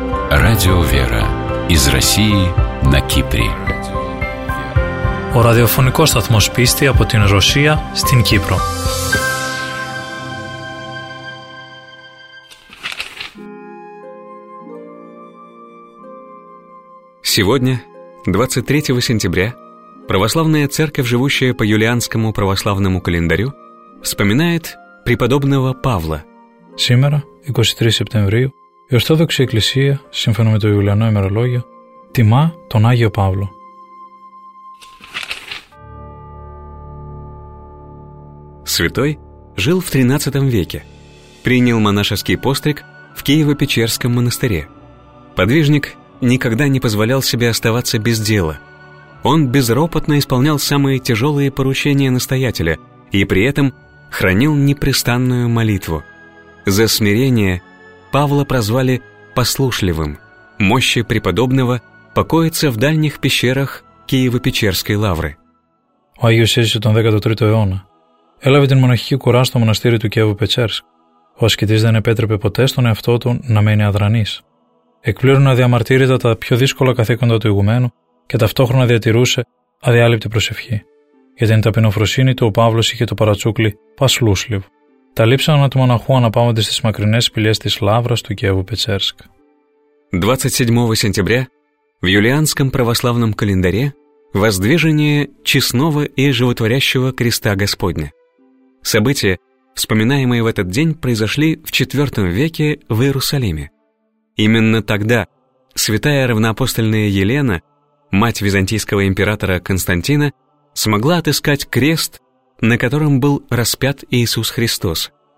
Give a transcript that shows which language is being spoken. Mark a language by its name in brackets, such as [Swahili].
[Russian] Радио «Вера» из России на Кипре. [Greek] Ο ραδιοφωνικός σταθμός πίστη από την Ρωσία στην Κύπρο. [Russian] Сегодня, 23 сентября, Православная Церковь, живущая по юлианскому православному календарю, вспоминает преподобного Павла. Сегодня, 23 сентября, [Greek] η Ορθόδοξη Εκκλησία, σύμφωνα με το Ιουλιανό ημερολόγιο, τιμά τον Άγιο Παύλο. [Russian] Святой жил в 13 веке. Принял монашеский постриг в Киево-Печерском монастыре. Подвижник никогда не позволял себе оставаться без дела. Он безропотно исполнял самые тяжелые поручения настоятеля и при этом хранил непрестанную молитву. За смирение Павла прозвали «послушливым». Мощи преподобного покоятся в дальних пещерах Киево-Печерской лавры. [Greek] Ο Άγιος έζησε τον 13ο αιώνα. Έλαβε την μοναχική κουρά στο μοναστήρι του Κιέβου-Πετσέρσκ. Ο ασκητής δεν επέτρεπε ποτέ στον εαυτό του να μένει αδρανής. Εκπλήρωνε αδιαμαρτύρητα τα πιο δύσκολα καθήκοντα του ηγουμένου και ταυτόχρονα διατηρούσε αδιάλειπτη προσευχή. Για την ταπεινοφροσύνη του, ο Παύλος είχε το παρατσούκλι «Πασλούσλιβ». Τα λείψανα του μοναχού αναπάμονται στις μακρινές σπηλιές της Λαύρας του Κιέβου-Πετσέρσκ. [Russian] 27 сентября в юлианском православном календаре воздвижение честного и животворящего креста Господня. События, вспоминаемые в этот день, произошли в IV веке в Иерусалиме. Именно тогда святая равноапостольная Елена, мать византийского императора Константина, смогла отыскать крест, на котором был распят Иисус Христос.